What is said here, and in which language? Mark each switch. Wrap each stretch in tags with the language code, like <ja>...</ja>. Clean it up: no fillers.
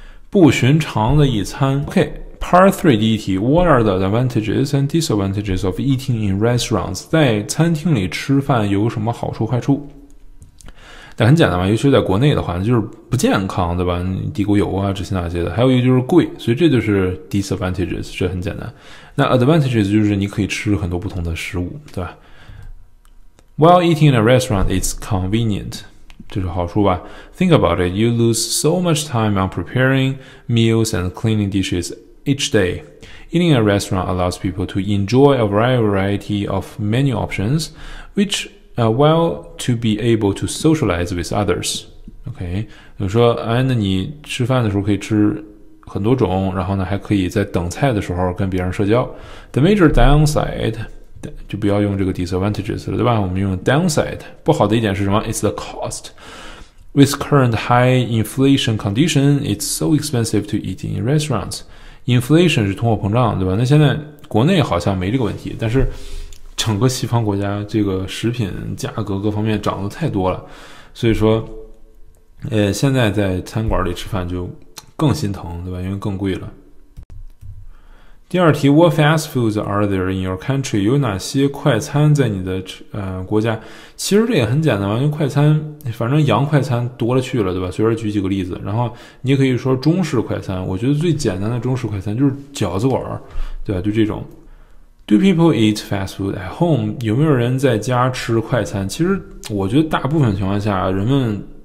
<zh>不寻常的一餐</zh> <en>OK Part 3</en> <zh>第一题</zh> <en>What are the advantages and disadvantages of eating in restaurants?</en> <zh>在餐厅里吃饭有什么好处坏处？但很简单嘛，尤其是在国内的话，就是不健康，对吧？地沟油啊，这些那些的。还有一个就是贵，所以这就是 disadvantages， 这很简单。那 advantages 就是你可以吃很多不同的食物，对吧</zh> <en>？While eating in a restaurant, it's convenient，</en> <zh>这是好处吧</zh> <en>？Think about it, you lose so much time on preparing meals and cleaning dishes each day. Eating in a restaurant allows people to enjoy a variety of menu options, which well, to be able to socialize with others. Okay.</en> <zh>比如说哎那你吃饭的时候可以吃很多种，然后呢还可以在等菜的时候跟别人社交。</zh> <en>The major downside,</en> <zh>就不要用这个 disadvantages 了对吧，我们用 downside。不好的一点是什么 ?</zh> <en>It's the cost. With current high inflation condition, it's so expensive to eat in restaurants.</en> <zh>Inflation 是通货膨胀对吧，那现在国内好像没这个问题，但是整个西方国家这个食品价格各方面涨得太多了，所以说现在在餐馆里吃饭就更心疼对吧，因为更贵了。第二题</zh> <en>What fast foods are there in your country?</en> <zh>有哪些快餐在你的国家？其实这也很简单，因为快餐反正洋快餐多了去了对吧，随便举几个例子。然后你可以说中式快餐，我觉得最简单的中式快餐就是饺子馆对吧，就这种。</zh> <en>Do people eat fast food at home?</en> <zh>有没有人在家吃快餐？其实我觉得大部分情况下人们</zh>